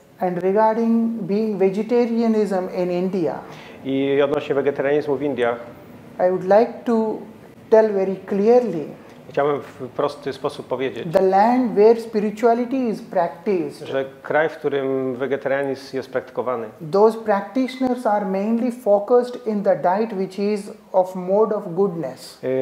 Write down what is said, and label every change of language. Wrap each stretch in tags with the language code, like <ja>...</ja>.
<en>And regarding being vegetarianism in India.</en> <pl>I odnośnie wegetarianizmu w Indiach.</pl> <en>I would like to tell very clearly.</en> <pl>Chciałbym w prosty sposób powiedzieć.</pl> <en>The land where spirituality is practiced.</en> <pl>Że kraj, w którym wegetarianizm jest praktykowany.</pl> <en>Those practitioners are mainly focused in the diet which is of mode of goodness.</en>